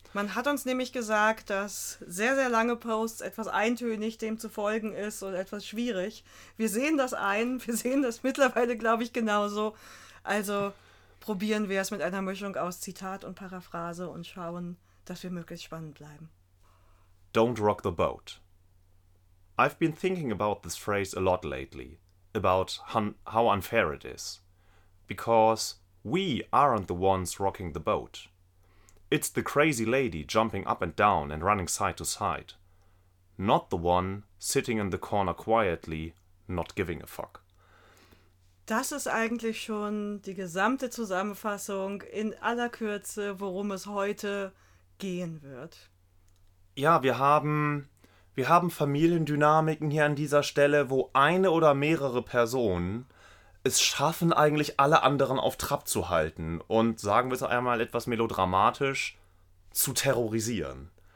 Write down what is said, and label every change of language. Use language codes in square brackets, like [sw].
[de] Man hat uns nämlich gesagt, dass sehr, sehr lange Posts etwas eintönig dem zu folgen ist und etwas schwierig. Wir sehen das mittlerweile, glaube ich, genauso. Also probieren wir es mit einer Mischung aus Zitat und Paraphrase und schauen, dass wir möglichst spannend bleiben. [en] Don't rock the boat. I've been thinking about this phrase a lot lately. About how unfair it is. Because we aren't the ones rocking the boat. It's the crazy lady jumping up and down and running side to side. Not the one sitting in the corner quietly, not giving a fuck. [de] Das ist eigentlich schon die gesamte Zusammenfassung in aller Kürze, worum es heute gehen wird. Ja, wir haben Familiendynamiken hier an dieser Stelle, wo eine oder mehrere Personen es schaffen, eigentlich alle anderen auf Trab zu halten und, sagen wir es einmal etwas melodramatisch, zu terrorisieren.